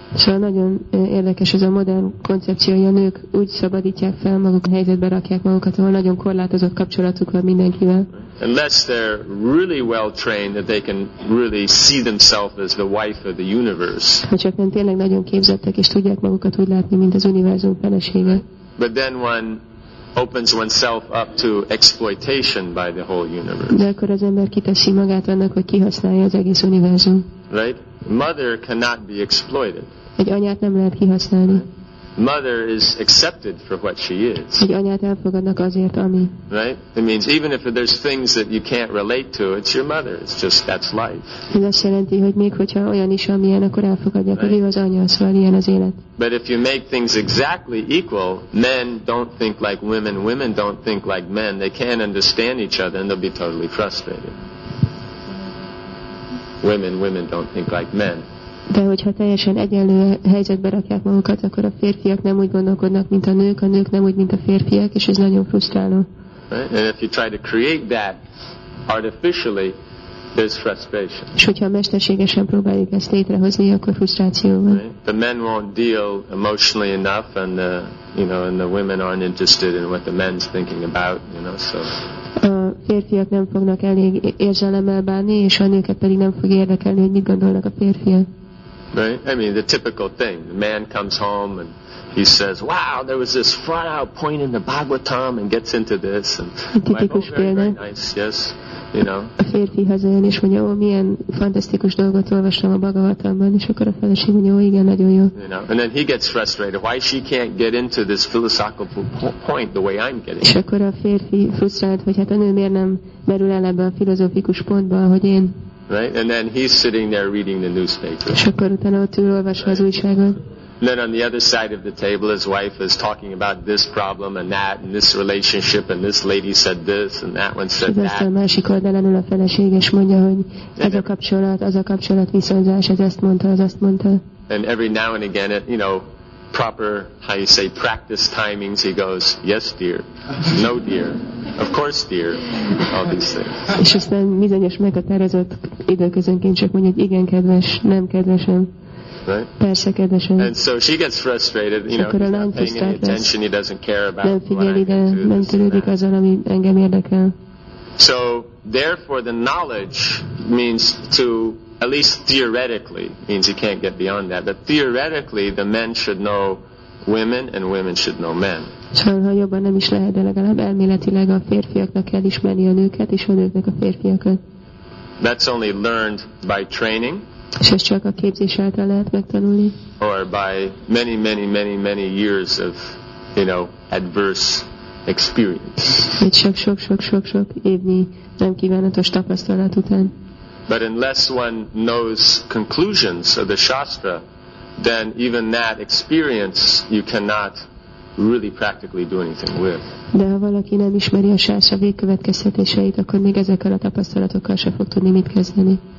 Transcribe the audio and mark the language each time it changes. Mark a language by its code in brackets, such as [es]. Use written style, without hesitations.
[hu] Szóval nagyon érdekes ez a modern koncepció, hogy a nők úgy szabadítják fel magukat, helyzetbe rakják magukat, ahol nagyon korlátozott kapcsolatuk van mindenkivel. [en] Unless they're really well trained that they can really see themselves as the wife of the universe. [hu] Ha csak nem tényleg nagyon képzettek és tudják magukat úgy látni, mint az univerzum felesége. [en] But then one opens oneself up to exploitation by the whole universe. [hu] De akkor az ember kiteszi magát annak, hogy kihasználja az egész univerzum. [en] Right? Mother cannot be exploited. [hu] Egy anyát nem lehet kihasználni. [en] Mother is accepted for what she is. [hu] Egy anyát elfogadnak azért, ami. [en] Right? It means even if there's things that you can't relate to, it's your mother. It's just that's life. [hu] Ez azt jelenti, hogy még hogyha olyan is, amilyen, akkor elfogadják, hogy az anya, szóval ilyen az élet. [en] But if you make things exactly equal, men don't think like women, women don't think like men. They can't understand each other and they'll be totally frustrated. Women, women don't think like men. [hu] De hogyha teljesen egyenlő helyzetbe rakják magukat, akkor a férfiak nem úgy gondolkodnak, mint a nők nem úgy, mint a férfiak, és ez nagyon frusztráló. [en] And if you try to create that artificially, there's frustration. [hu] És hogyha mesterségesen próbáljuk ezt létrehozni, akkor frusztráció van. [en] The men won't deal emotionally enough, and the, you know, and the women aren't interested in what the men's thinking about, you know, so. [hu] A férfiak nem fognak elég érzelemmel bánni, és a nőket pedig nem fog érdekelni, hogy mit gondolnak a férfiak. [en] Right? I mean, the typical thing. The man comes home and he says, wow, there was this far out point in the Bhagavatam and gets into this. And [hu] tipikus [en] wife, oh, very, very nice, yes. You know. [hu] A férfi hazajön és mondja, ó, milyen fantasztikus dolgot olvastam a Bhagavatamban, és akkor a feleség mondja, ó, igen, nagyon jó. [en] You know? And then he gets frustrated. Why she can't get into this philosophical point the way I'm getting. [hu] És akkor a férfi frusztrált, hogy hát a nő miért nem merül el ebbe a filozofikus pontba, hogy én. [en] Right, and then he's sitting there reading the newspaper. [hu] És akkor utána ott ül, olvasva az újságot. [en] Then on the other side of the table, his wife is talking about this problem and that, and this relationship, and this lady said this, and that one said that. [hu] A másik oldalán ül a feleség, és mondja, hogy ez a kapcsolat, az a kapcsolat viszonyzás, ez ezt mondta, az azt mondta. [en] And every now and again, it, you know, proper, how you say, practice timings, he goes, yes, dear, no, dear. Of course, dear. All these things. [hu] És aztán bizonyos meghatározott időközönként csak mondja, hogy igen, kedves, nem, kedvesem. [en] Right? [hu] Persze, kedvesem. [en] And so she gets frustrated, you know, he's not paying any attention, he doesn't care about what I'm going to do. [hu] Nem törődik azzal, ami engem érdekel. [en] So, therefore, the knowledge means to, at least theoretically, means you can't get beyond that, but theoretically, the men should know women and women should know men. [hu] Szóval, ha jobban nem is lehet, de legalább elméletileg a férfiaknak kell ismerni a nőket és a nőknek a férfiakat. [en] That's only learned by training. [hu] És ezt csak a képzés által lehet megtanulni. [en] Or by many, many, many, many years of, you know, adverse experience. [hu] Egy sok évnyi nem kívánatos tapasztalat után. [en] But unless one knows conclusions of the Shastra, then even that experience you cannot really practically do anything with. [hu] De ha valaki nem ismeri a sásra végkövetkeztetéseit, akkor még ezekkel a tapasztalatokkal se fog tudni mit kezdeni.